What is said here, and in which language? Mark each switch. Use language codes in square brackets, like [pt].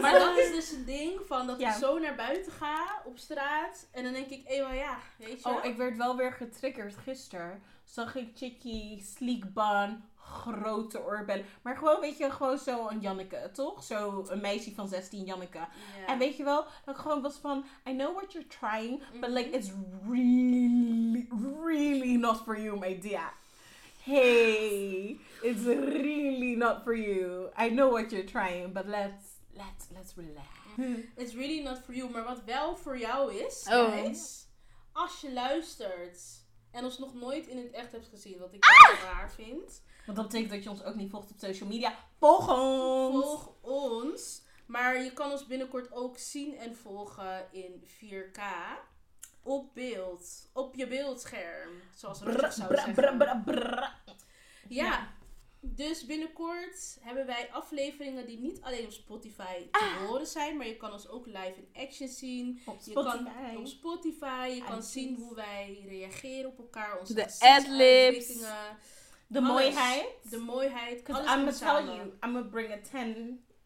[nl] Maar dat is dus een ding van dat ik zo naar buiten ga op straat. En dan denk ik, eenmaal ja, weet je. Oh, ik werd wel weer getriggerd gisteren. Zag ik Chicky, sleek bun... grote oorbellen. Maar gewoon, weet je, gewoon zo een Janneke, toch? Zo een meisje van 16, Janneke. Yeah. En weet je wel, dat ik gewoon was van, [en] I know what you're trying, [nl] mm-hmm. [en] but like, it's really, really not for you, my dear. Hey, it's really not for you. I know what you're trying, but let's relax. It's really not for you, [nl] maar wat wel voor jou is, is als je luistert en ons nog nooit in het echt hebt gezien, wat ik heel raar vind... Want dat betekent dat je ons ook niet volgt op social media. Volg ons! Volg ons. Maar je kan ons binnenkort ook zien en volgen in 4K. Op beeld. Op je beeldscherm. Zoals we dat zouden zeggen. Ja. Dus binnenkort hebben wij afleveringen die niet alleen op Spotify te horen zijn. Maar je kan ons ook [en] live in action [nl] zien. Op Spotify. Je kan zien hoe wij reageren op elkaar. Onze de ad-libs. De mooiheid. De mooiheid. [en] Because I'm going to tell you, I'm going to bring a 10.